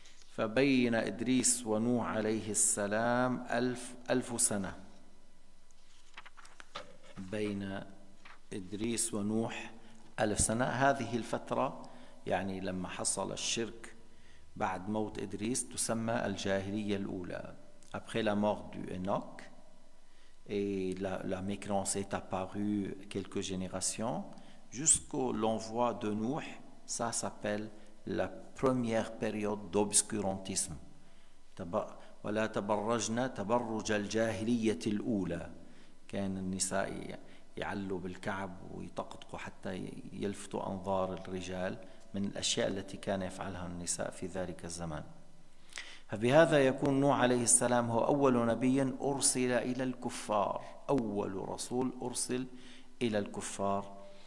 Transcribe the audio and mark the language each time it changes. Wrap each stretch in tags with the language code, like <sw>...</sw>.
<ar>فبين إدريس ونوح عليه السلام ألف سنة بين إدريس ونوح ألف سنة. هذه الفترة يعني لما حصل الشرك بعد موت إدريس تسمى الجاهلية الأولى.</ar> <fr>Après la mort du Enoch et la mécréance est apparue quelques générations jusqu'au l'envoi de Nouh, ça s'appelle la première période d'obscurantisme.</fr> <ar>ولا تبرجنا تبرج الجاهلية الأولى. كان النساء يعلوا بالكعب ويطقطقوا حتى يلفتوا أنظار الرجال من الأشياء التي كان يفعلها النساء في ذلك الزمان. فبهذا يكون نوح عليه السلام هو أول نبي أرسل إلى الكفار، أول رسول أرسل إلى الكفار.</ar>